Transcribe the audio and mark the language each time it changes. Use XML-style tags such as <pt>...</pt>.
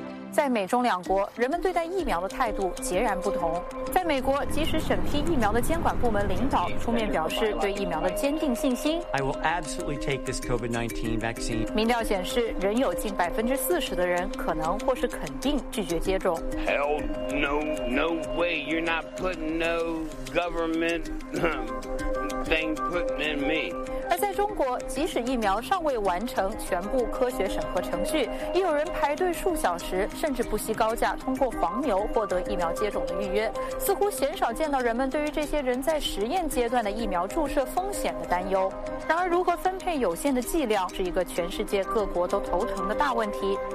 <zh>在美中两国，人们对待疫苗的态度截然不同。在美国，即使审批疫苗的监管部门领导出面表示对疫苗的坚定信心。</zh> <en>I will absolutely take this COVID-19 vaccine.</en> <zh>民调显示，仍有近40%的人可能或是肯定拒绝接种。</zh> <en>Hell no, no way. You're not putting no government thing putting in me.</en> <zh>而在中国，即使疫苗尚未完成全部科学审核程序，也有人排队数小时，甚至不惜高价通过黄牛获得疫苗接种的预约，似乎鲜少见到人们对于这些人在实验阶段的疫苗注射风险的担忧。然而，如何分配有限的剂量是一个全世界各国都头疼的大问题。</zh>